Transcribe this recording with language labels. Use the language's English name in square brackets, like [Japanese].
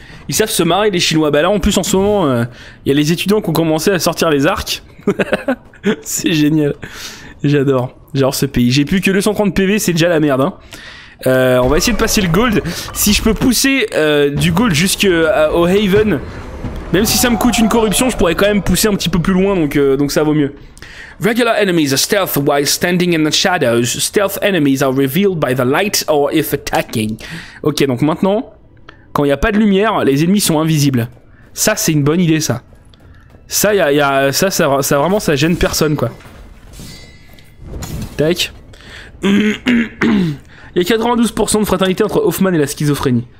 [French] Ils savent se marrer, les Chinois. Bah là en plus en ce moment, il y a les étudiants qui ont commencé à sortir les arcs. C'est génial. J'adore ce pays. J'ai plus que 230 PV, c'est déjà la merde, hein. On va essayer de passer le gold. Si je peux pousser du gold jusqu'au Haven, même si ça me coûte une corruption, je pourrais quand même pousser un petit peu plus loin, donc ça vaut mieux. [English] Regular enemies are stealth while standing in the shadows. Stealth enemies are revealed by the light or if attacking. [French] Ok, donc maintenant, quand il n'y a pas de lumière, les ennemis sont invisibles. Ça, c'est une bonne idée, ça. Ça, ça vraiment, ça gêne personne, quoi. Tac. Il y a 92% de fraternité entre Hoffman et la schizophrénie.